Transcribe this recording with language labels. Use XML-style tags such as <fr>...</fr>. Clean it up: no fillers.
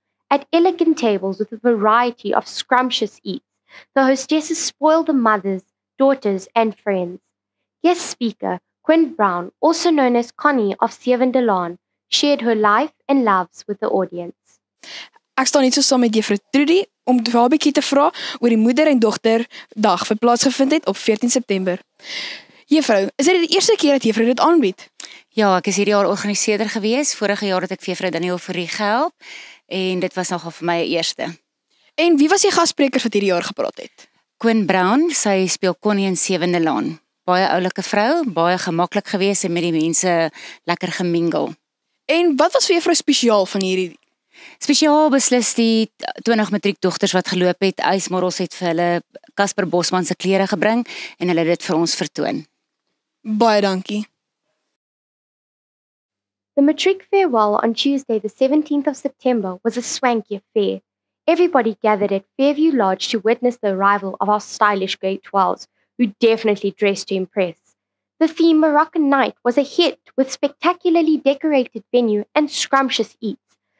<en>At elegant tables with a variety of scrumptious eats, the hostesses spoiled the mothers, daughters and friends. Guest speaker Quinn Brown, also known as Connie of Seven Delon, shared her life and loves with the audience.</en> <af>Ek staan net so saam met Juffrou Trudy om 'n bietjie te vra oor die moeder en dogter dag wat plaasgevind het op 14 September. Juffrou, is dit die eerste keer dat Juffrou dit aanbied? Ja, ek is hierdie jaar organiseerder gewees. Vorige jaar het ek vir Juffrou Daniel Verrie gehelp en dit was nogal vir my 'n eerste. En wie was die gasspreker wat hierdie jaar gepraat het? Koen Brown, sy speel Connie in 7de laan. Baie oulike vrou, baie gemaklik gewees en met die mense lekker gemingel. En wat was vir juffrou spesiaal van hierdie? Spesiaal beslis die 20 matriek dogters wat geloop het, ysmorrels het vir hulle Kasper Bosman se klere gebring en hulle het dit vir ons vertoon. Baie dankie.</af> <en>The Matric Farewell on Tuesday the 17th of September was a swanky affair. Everybody gathered at Fairview Lodge to witness the arrival of our stylish grade 12s, who definitely dressed to impress. The theme Moroccan Night was a hit with spectacularly decorated venue and scrumptious eats.</en>